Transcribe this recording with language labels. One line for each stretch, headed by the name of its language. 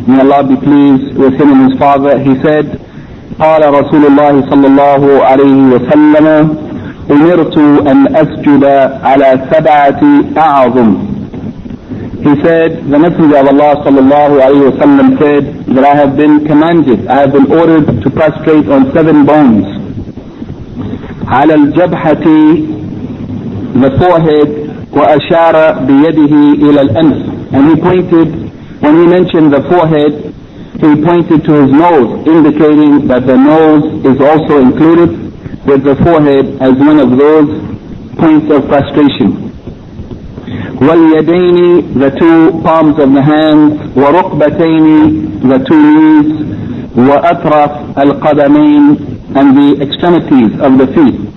English: May Allah be pleased with him and his father. He said,
Arabic: قال رسول الله صلى الله عليه وسلم أمرت أن أسجد على سبعة أعظم.
English: He said, the Messenger of Allah صلى الله عليه وسلم said that I have been commanded, I have been ordered to prostrate on seven bones.
Arabic: على الجبهة,
English: the forehead,
Arabic: وأشار بيده إلى الأنف.
English: And he pointed, when he mentioned the forehead, he pointed to his nose, indicating that the nose is also included with the forehead as one of those points of prostration.
Arabic: وَالْيَدَيْنِ,
English: the two palms of the hands,
Arabic: وَرُقْبَتَيْنِ,
English: the two knees,
Arabic: وَأَطْرَفَ الْقَدَمَيْنِ,
English: and the extremities of the feet.